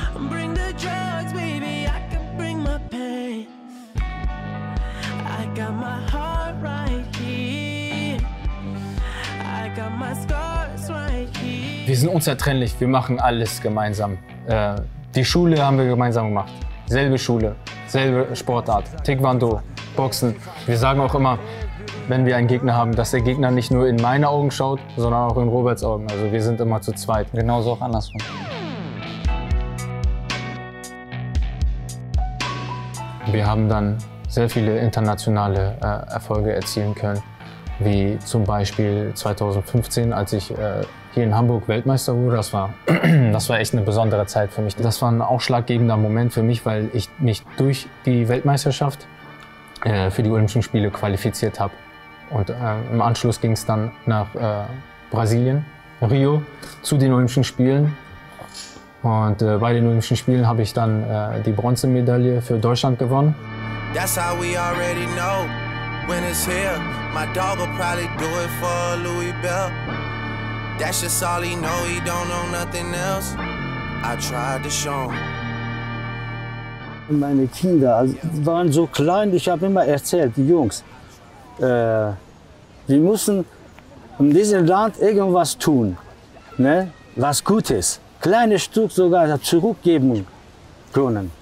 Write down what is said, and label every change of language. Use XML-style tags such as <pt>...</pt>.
<en>Bring the drugs, baby, I can bring my pain. I got my heart right here. I got my scars right here.</en> <de>Wir sind unzertrennlich, wir machen alles gemeinsam. Die Schule haben wir gemeinsam gemacht. Selbe Schule, selbe Sportart. Taekwondo, Boxen. Wir sagen auch immer, wenn wir einen Gegner haben, dass der Gegner nicht nur in meine Augen schaut, sondern auch in Roberts Augen. Also wir sind immer zu zweit. Genauso auch andersrum. Wir haben dann sehr viele internationale Erfolge erzielen können, wie zum Beispiel 2015, als ich hier in Hamburg Weltmeister wurde. Das war echt eine besondere Zeit für mich. Das war ein ausschlaggebender Moment für mich, weil ich mich durch die Weltmeisterschaft für die Olympischen Spiele qualifiziert habe. Und im Anschluss ging es dann nach Brasilien, Rio, zu den Olympischen Spielen. Und bei den Olympischen Spielen habe ich dann die Bronzemedaille für Deutschland gewonnen.</de> <en>That's how we already know when it's here. My dog will probably do it for Louis Bell. That's just all he know, he don't know nothing else. I tried to show him.</en> <de>Meine Kinder waren so klein, ich habe immer erzählt, die Jungs, wir müssen in diesem Land irgendwas tun, ne? Was Gutes. Kleines Stück sogar zurückgeben können.</de>